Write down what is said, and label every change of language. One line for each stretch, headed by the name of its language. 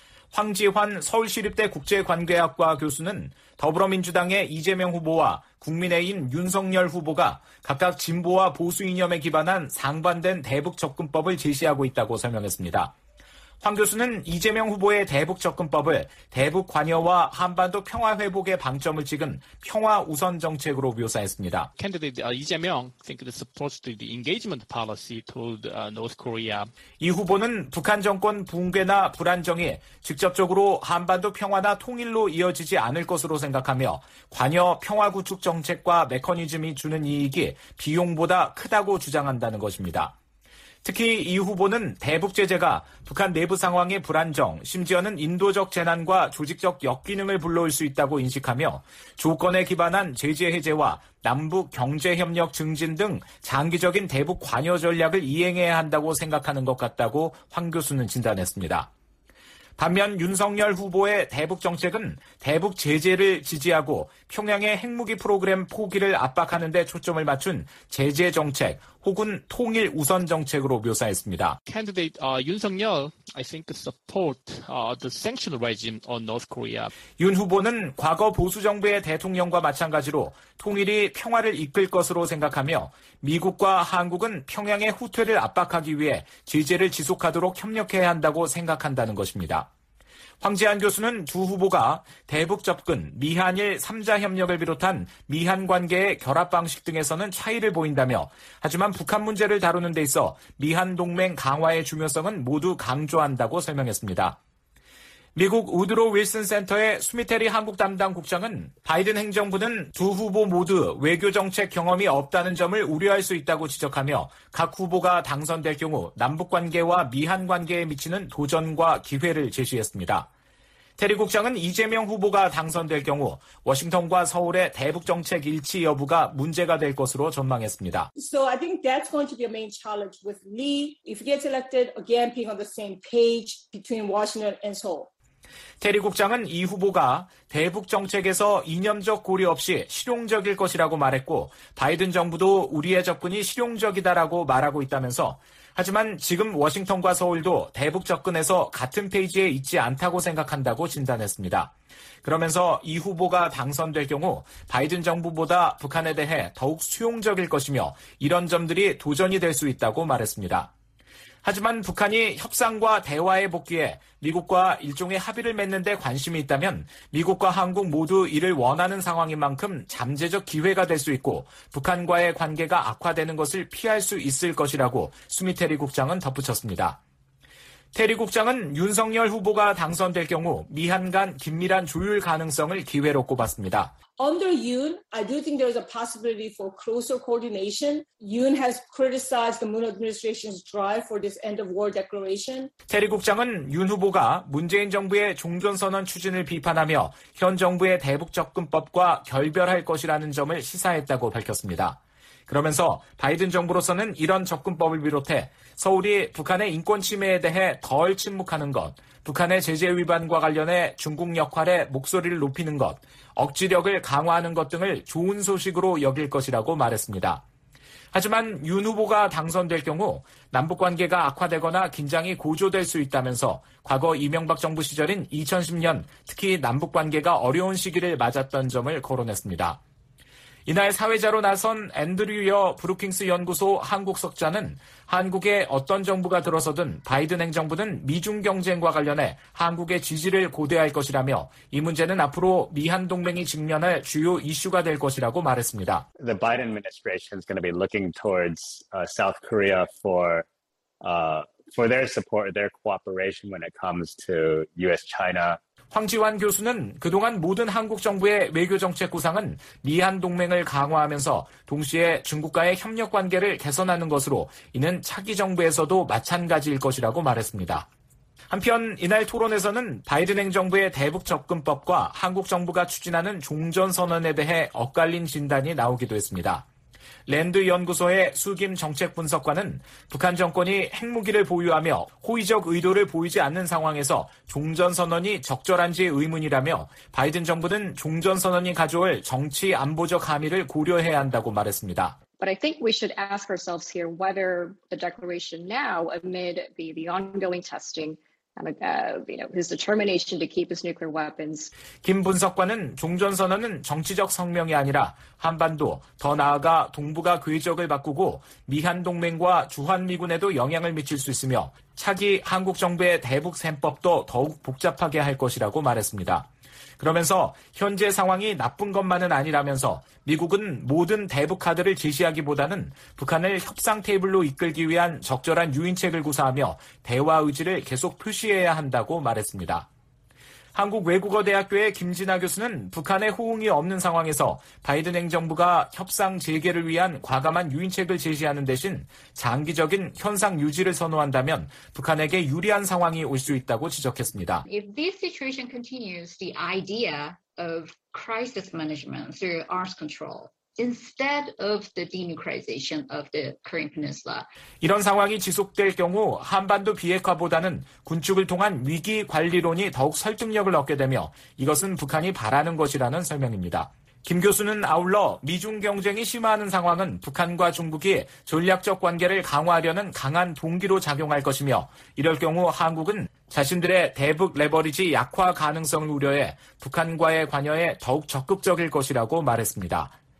Korean: 황지환 서울시립대 국제관계학과 교수는 더불어민주당의 이재명 후보와 국민의힘 윤석열 후보가 각각 진보와 보수 이념에 기반한 상반된 대북 접근법을 제시하고 있다고 설명했습니다. 황 교수는 이재명 후보의 대북 접근법을 대북 관여와 한반도 평화 회복의 방점을 찍은 평화 우선 정책으로 묘사했습니다.
English: Candidate 이재명 think it's supposed to be the engagement policy toward North Korea.
Korean: 이 후보는 북한 정권 붕괴나 불안정이 직접적으로 한반도 평화나 통일로 이어지지 않을 것으로 생각하며 관여 평화 구축 정책과 메커니즘이 주는 이익이 비용보다 크다고 주장한다는 것입니다. 특히 이 후보는 대북 제재가 북한 내부 상황의 불안정, 심지어는 인도적 재난과 조직적 역기능을 불러올 수 있다고 인식하며 조건에 기반한 제재 해제와 남북 경제협력 증진 등 장기적인 대북 관여 전략을 이행해야 한다고 생각하는 것 같다고 황 교수는 진단했습니다. 반면 윤석열 후보의 대북 정책은 대북 제재를 지지하고 평양의 핵무기 프로그램 포기를 압박하는 데 초점을 맞춘 제재 정책 혹은 통일 우선 정책으로 묘사했습니다.
English: Candidate 윤석열 I think support the sanction regime on North Korea.
Korean: 윤 후보는 과거 보수 정부의 대통령과 마찬가지로 통일이 평화를 이끌 것으로 생각하며 미국과 한국은 평양의 후퇴를 압박하기 위해 제재를 지속하도록 협력해야 한다고 생각한다는 것입니다. 황재한 교수는 두 후보가 대북 접근, 미한일 3자 협력을 비롯한 미한 관계의 결합 방식 등에서는 차이를 보인다며 하지만 북한 문제를 다루는 데 있어 미한 동맹 강화의 중요성은 모두 강조한다고 설명했습니다. 미국 우드로 윌슨 센터의 수미테리 한국 담당 국장은 바이든 행정부는 두 후보 모두 외교 정책 경험이 없다는 점을 우려할 수 있다고 지적하며 각 후보가 당선될 경우 남북관계와 미한관계에 미치는 도전과 기회를 제시했습니다. 테리 국장은 이재명 후보가 당선될 경우 워싱턴과 서울의 대북 정책 일치 여부가 문제가 될 것으로 전망했습니다.
English: So I think that's going to be a main challenge with Lee if he gets elected again being on the same page between Washington and Seoul.
Korean: 테리 국장은 이 후보가 대북 정책에서 이념적 고리 없이 실용적일 것이라고 말했고 바이든 정부도 우리의 접근이 실용적이다라고 말하고 있다면서 하지만 지금 워싱턴과 서울도 대북 접근에서 같은 페이지에 있지 않다고 생각한다고 진단했습니다. 그러면서 이 후보가 당선될 경우 바이든 정부보다 북한에 대해 더욱 수용적일 것이며 이런 점들이 도전이 될 수 있다고 말했습니다. 하지만 북한이 협상과 대화에 복귀해 미국과 일종의 합의를 맺는 데 관심이 있다면 미국과 한국 모두 이를 원하는 상황인 만큼 잠재적 기회가 될 수 있고 북한과의 관계가 악화되는 것을 피할 수 있을 것이라고 수미 테리 국장은 덧붙였습니다. 테리 국장은 윤석열 후보가 당선될 경우 미한 간 긴밀한 조율 가능성을 기회로 꼽았습니다.
English: Under Yoon, I do think there is a possibility for closer coordination. Yoon has criticized the Moon administration's drive for this end-of-war declaration.
Korean: 테리 국장은 윤 후보가 문재인 정부의 종전선언 추진을 비판하며 현 정부의 대북 접근법과 결별할 것이라는 점을 시사했다고 밝혔습니다. 그러면서 바이든 정부로서는 이런 접근법을 비롯해 서울이 북한의 인권 침해에 대해 덜 침묵하는 것, 북한의 제재 위반과 관련해 중국 역할에 목소리를 높이는 것, 억지력을 강화하는 것 등을 좋은 소식으로 여길 것이라고 말했습니다. 하지만 윤 후보가 당선될 경우 남북관계가 악화되거나 긴장이 고조될 수 있다면서 과거 이명박 정부 시절인 2010년 특히 남북관계가 어려운 시기를 맞았던 점을 거론했습니다. 이날 사회자로 나선 앤드류 여 브루킹스 연구소 한국 석좌는 한국의 어떤 정부가 들어서든 바이든 행정부는 미중 경쟁과 관련해 한국의 지지를 고대할 것이라며 이 문제는 앞으로 미한 동맹이 직면할 주요 이슈가 될 것이라고 말했습니다.
English: The Biden administration is going to be looking towards South Korea for their support, their cooperation when it comes to US-China.
Korean: 황지환 교수는 그동안 모든 한국 정부의 외교 정책 구상은 미한 동맹을 강화하면서 동시에 중국과의 협력 관계를 개선하는 것으로 이는 차기 정부에서도 마찬가지일 것이라고 말했습니다. 한편 이날 토론에서는 바이든 행정부의 대북 접근법과 한국 정부가 추진하는 종전선언에 대해 엇갈린 진단이 나오기도 했습니다. 랜드 연구소의 수김 정책 분석관은 북한 정권이 핵무기를 보유하며 호의적 의도를 보이지 않는 상황에서 종전선언이 적절한지 의문이라며 바이든 정부는 종전선언이 가져올 정치 안보적 함의를 고려해야 한다고 말했습니다.
English: But I think we should ask ourselves here whether the declaration now amid the ongoing testing his determination to keep his nuclear weapons.
Korean: 김 분석관은 종전선언은 정치적 성명이 아니라 한반도, 더 나아가 동북아 궤적을 바꾸고 미한 동맹과 주한미군에도 영향을 미칠 수 있으며 차기 한국 정부의 대북 셈법도 더욱 복잡하게 할 것이라고 말했습니다. 그러면서 현재 상황이 나쁜 것만은 아니라면서 미국은 모든 대북 카드를 제시하기보다는 북한을 협상 테이블로 이끌기 위한 적절한 유인책을 구사하며 대화 의지를 계속 표시해야 한다고 말했습니다. 한국외국어대학교의 김진아 교수는 북한의 호응이 없는 상황에서 바이든 행정부가 협상 재개를 위한 과감한 유인책을 제시하는 대신 장기적인 현상 유지를 선호한다면 북한에게 유리한 상황이 올 수 있다고 지적했습니다.
English: If this situation continues, the idea of crisis management through arms control instead of the denuclearization of the Korean Peninsula.
Korean: 이런 상황이 지속될 경우 한반도 비핵화보다는 군축을 통한 위기 관리론이 더욱 설득력을 얻게 되며 이것은 북한이 바라는 것이라는 설명입니다. 김 교수는 아울러 미중 경쟁이 심화하는 상황은 북한과 중국이 전략적 관계를 강화하려는 강한 동기로 작용할 것이며 이럴 경우 한국은 자신들의 대북 레버리지 약화 가능성을 우려해 북한과의 관여에 더욱 적극적일 것이라고 말했습니다.